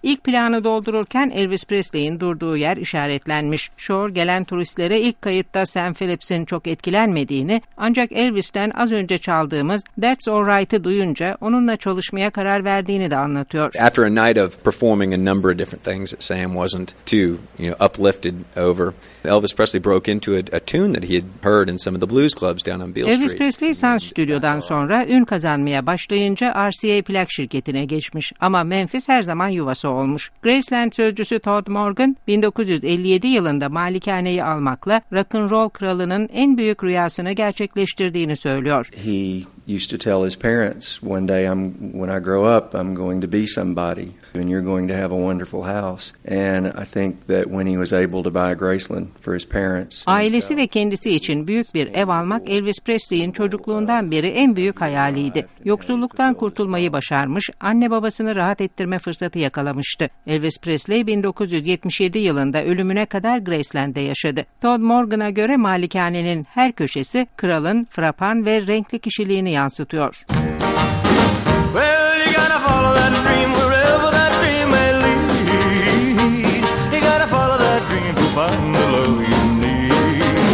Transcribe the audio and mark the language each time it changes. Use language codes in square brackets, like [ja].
[tr] İlk planı doldururken Elvis Presley'in durduğu yer işaretlenmiş. Shore gelen turistlere ilk kayıtta Sam Phillips'in çok etkilenmediğini ancak Elvis'ten az önce çaldığımız That's Alright'ı duyunca onunla çalışmaya karar verdiğini de anlatıyor. [en] After a night of performing a number of different things that Sam wasn't too, you know, uplifted over. Elvis Presley broke into a tune that he had heard in some of the blues clubs down on Beale Elvis [tr] Elvis Presley Sun Stüdyo'dan sonra ün kazanmaya başlayınca RCA plak şirketine geçmiş ama Memphis her zaman yuvası olmuş. Graceland sözcüsü Todd Morgan 1957 yılında malikaneyi almakla rock'n'roll kralının en büyük rüyasını gerçekleştirdiğini söylüyor. [en] He used to tell his parents, one day when I grow up, I'm going to be somebody and you're going to have a wonderful house. And I think that when he was able to buy Graceland for his parents. [tr] Ailesi ve kendisi için büyük bir ev almak Elvis Presley'in çocukluğundan beri en büyük hayaliydi. Yoksulluktan kurtulmayı başarmış, anne babasını rahat ettirme fırsatı yakalamıştı. Elvis Presley 1977 yılında ölümüne kadar Graceland'de yaşadı. Todd Morgan'a göre malikanenin her köşesi kralın frapan ve renkli kişiliğini yansıtıyor. [en] Well, you gotta follow that dream wherever that dream may lead. You gotta follow that dream to find the love you need.